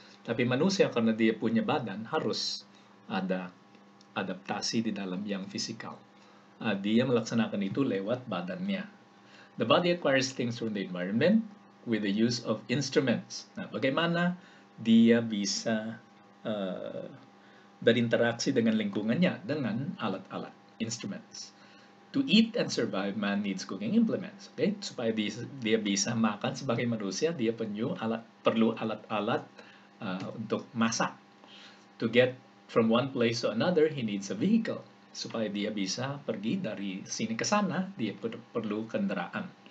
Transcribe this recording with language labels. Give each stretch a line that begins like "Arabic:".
Indonesian: Tapi manusia karena dia punya badan harus ada adaptasi di dalam yang fisikal. Dia melaksanakan itu lewat badannya.
English: The body acquires things from the environment with the use of instruments.
Indonesian: Nah, bagaimana dia bisa berinteraksi dengan lingkungannya dengan alat-alat, instruments.
English: To eat and survive, man needs cooking implements. Okay?
Indonesian: Supaya dia bisa makan sebagai manusia, dia perlu alat-alat untuk masak.
English: To get from one place to another, he needs a vehicle.
Indonesian: Supaya dia bisa pergi dari sini ke sana, dia perlu kendaraan.